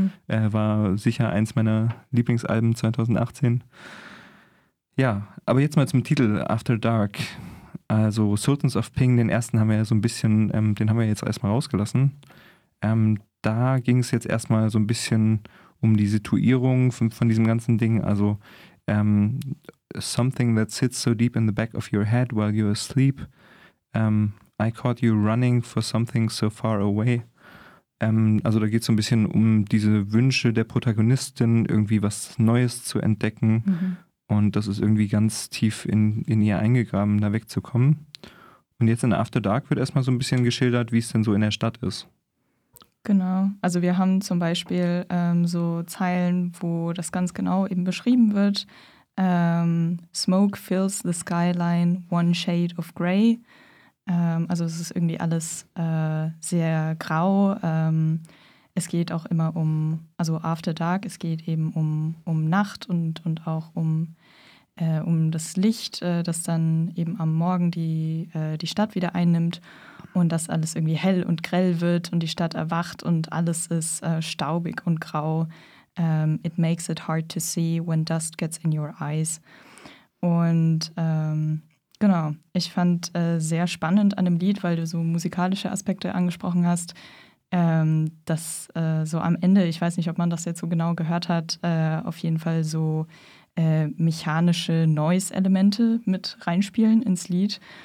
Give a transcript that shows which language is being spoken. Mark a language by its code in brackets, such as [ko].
[de] War sicher eins meiner Lieblingsalben 2018. Ja, aber jetzt mal zum Titel After Dark. Also Sultans of Ping, den ersten haben wir ja so ein bisschen, den haben wir jetzt erstmal rausgelassen. Da ging es jetzt erstmal so ein bisschen um die Situierung von diesem ganzen Ding. [en] Also something that sits so deep in the back of your head while you're asleep. I caught you running for something so far away. [de] Also da geht es so ein bisschen um diese Wünsche der Protagonistin, irgendwie was Neues zu entdecken. Und das ist irgendwie ganz tief in ihr eingegraben, da wegzukommen. Und jetzt in After Dark wird erstmal so ein bisschen geschildert, wie es denn so in der Stadt ist. Genau, also wir haben zum Beispiel so Zeilen, wo das ganz genau eben beschrieben wird. [en] Smoke fills the skyline, one shade of gray. [de] Also es ist irgendwie alles sehr grau. Es geht auch immer um, also After Dark, es geht eben um Nacht und auch um das Licht, das dann eben am Morgen die Stadt wieder einnimmt und das alles irgendwie hell und grell wird und die Stadt erwacht und alles ist staubig und grau. [en] It makes it hard to see when dust gets in your eyes. [de] Und genau, ich fand sehr spannend an dem Lied, weil du so musikalische Aspekte angesprochen hast, dass so am Ende, ich weiß nicht, ob man das jetzt so genau gehört hat, auf jeden Fall so mechanische Noise-Elemente mit reinspielen ins Lied.